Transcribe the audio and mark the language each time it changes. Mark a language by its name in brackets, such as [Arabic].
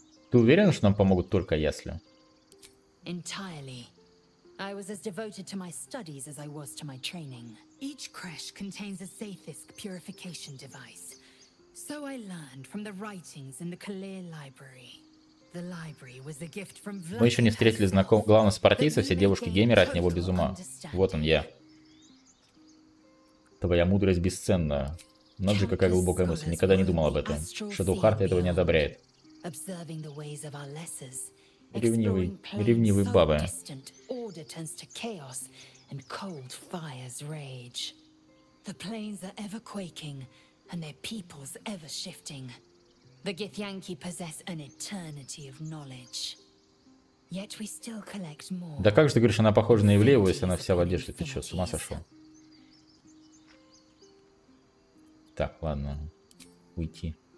[Russian] Ты уверен, что нам помогут только ясли? [English] Entirely. I was as devoted to my studies as I was to my training. Each creche contains a Zathisk purification device. So I learned from the writings in the Kalir library. The library was a gift from Vlad. [Russian] Мы еще не встретили знакомых главных спартийцев, все девушки геймеры от него без ума. Вот он я. Твоя мудрость бесценна. Надо же, какая глубокая мысль. Никогда не думал об этом. Шадоухарт этого не одобряет. [English] Observing the ways of our lessers, [Russian] ревнивый бабы. [English] Order turns to chaos, and cold fires rage. The plains are ever quaking, and their peoples ever shifting. The githyanki possess an eternity of knowledge. Yet we still collect more. [Russian] Да как же ты говоришь, она похожа на Ивлееву, если она вся в одежде? Ты что, с ума сошел? Так, ладно, уйти.